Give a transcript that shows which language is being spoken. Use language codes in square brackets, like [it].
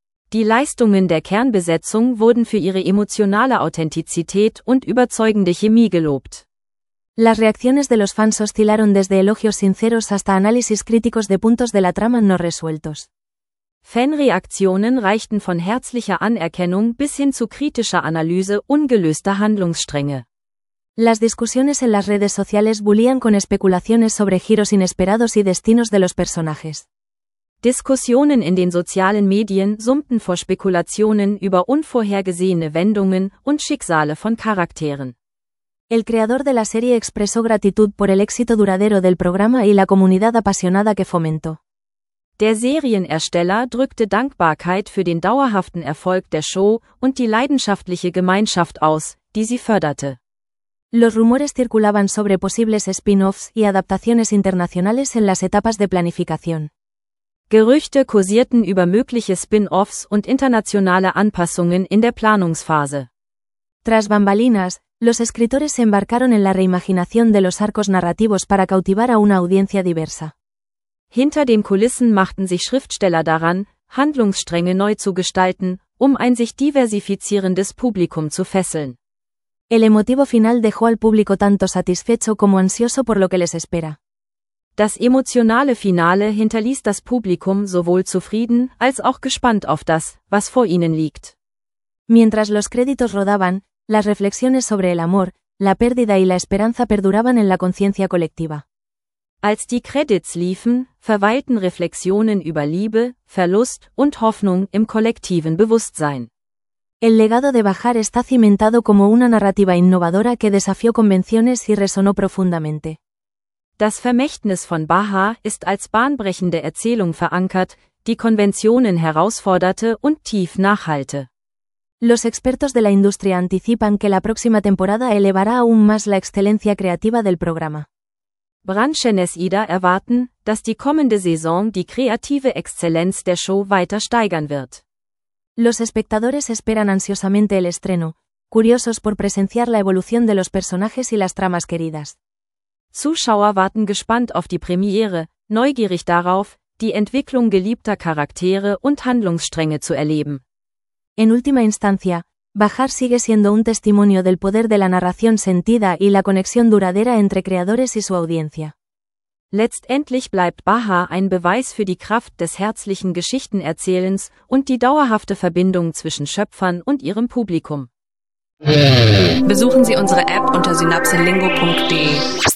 [de] Die Leistungen der Kernbesetzung wurden für ihre emotionale Authentizität und überzeugende Chemie gelobt. [es] Las reacciones de los fans oscilaron desde elogios sinceros hasta análisis críticos de puntos de la trama no resueltos. [de] Fanreaktionen reichten von herzlicher Anerkennung bis hin zu kritischer Analyse ungelöster Handlungsstränge. [es] Las discusiones en las redes sociales bullían con especulaciones sobre giros inesperados y destinos de los personajes. [de] Diskussionen in den sozialen Medien summten vor Spekulationen über unvorhergesehene Wendungen und Schicksale von Charakteren. [es] El creador de la serie expresó gratitud por el éxito duradero del programa y la comunidad apasionada que fomentó. [de] Der Serienersteller drückte Dankbarkeit für den dauerhaften Erfolg der Show und die leidenschaftliche Gemeinschaft aus, die sie förderte. [es] Los rumores circulaban sobre posibles spin-offs y adaptaciones internacionales en las etapas de planificación. [de] Gerüchte kursierten über mögliche Spin-offs und internationale Anpassungen in der Planungsphase. [es] Tras bambalinas, los escritores se embarcaron en la reimaginación de los arcos narrativos para cautivar a una audiencia diversa. [de] Hinter den Kulissen machten sich Schriftsteller daran, Handlungsstränge neu zu gestalten, um ein sich diversifizierendes Publikum zu fesseln. [es] El emotivo final dejó al público tanto satisfecho como ansioso por lo que les espera. [de] Das emotionale Finale hinterließ das Publikum sowohl zufrieden als auch gespannt auf das, was vor ihnen liegt. [es] Mientras los créditos rodaban, las reflexiones sobre el amor, la pérdida y la esperanza perduraban en la conciencia colectiva. [de] Als die Credits liefen, verweilten Reflexionen über Liebe, Verlust und Hoffnung im kollektiven Bewusstsein. [es] El legado de Bahar está cimentado como una narrativa innovadora que desafió convenciones y resonó profundamente. [de] Das Vermächtnis von Baha ist als bahnbrechende Erzählung verankert, die Konventionen herausforderte und tief nachhallte. [es] Los expertos de la industria anticipan que la próxima temporada elevará aún más la excelencia creativa del programa. [de] Branchenesider erwarten, dass die kommende Saison die kreative Exzellenz der Show weiter steigern wird. [es] Los espectadores esperan ansiosamente el estreno, curiosos por presenciar la evolución de los personajes y las tramas queridas. [de] Zuschauer warten gespannt auf die Premiere, neugierig darauf, die Entwicklung geliebter Charaktere und Handlungsstränge zu erleben. [es] En última instancia, Bahar sigue siendo un testimonio del poder de la narración sentida y la conexión duradera entre creadores y su audiencia. [de] Letztendlich bleibt Bahar ein Beweis für die Kraft des herzlichen Geschichtenerzählens und die dauerhafte Verbindung zwischen Schöpfern und ihrem Publikum. Besuchen Sie unsere App unter synapselingo.de.